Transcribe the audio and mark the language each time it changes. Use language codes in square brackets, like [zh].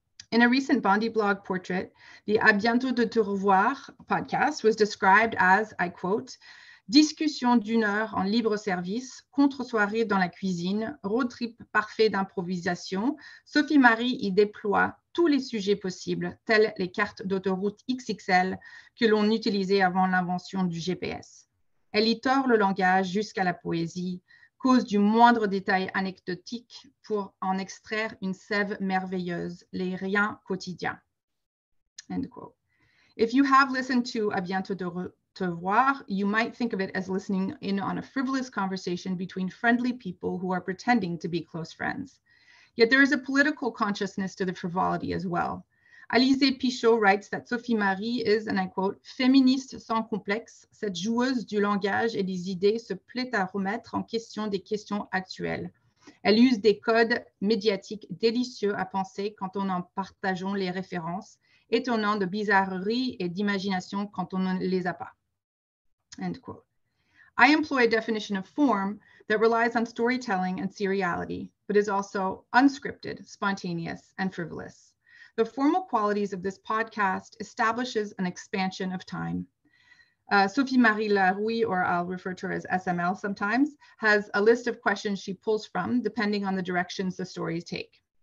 [en] In a recent Bondi blog portrait, the A Bientôt de Te Revoir podcast was described as, I quote, [fr] discussion d'une heure en libre service, contre-soirée dans la cuisine, road trip parfait d'improvisation, Sophie-Marie y déploie tous les sujets possibles, tels les cartes d'autoroute XXL que l'on utilisait avant l'invention du GPS. Elle y tord le langage jusqu'à la poésie, cause du moindre détail anecdotique pour en extraire une sève merveilleuse, les riens quotidiens. [en] End quote. If you have listened to A Bientôt de Te Voir, you might think of it as listening in on a frivolous conversation between friendly people who are pretending to be close friends. Yet there is a political consciousness to the frivolity as well. Alizée Pichot writes that Sophie-Marie is, and I quote, [fr] féministe sans complexe, cette joueuse du langage et des idées se plaît à remettre en question des questions actuelles. Elle use des codes médiatiques délicieux à penser quand on en partageons les références, étonnant de bizarrerie et d'imagination quand on ne les a pas. [en] End quote. I employ a definition of form that relies on storytelling and seriality, but is also unscripted, spontaneous, and frivolous. The formal qualities of this podcast establishes an expansion of time. Sophie-Marie Larouille, or I'll refer to her as SML sometimes, has a list of questions she pulls from depending on the directions the stories take.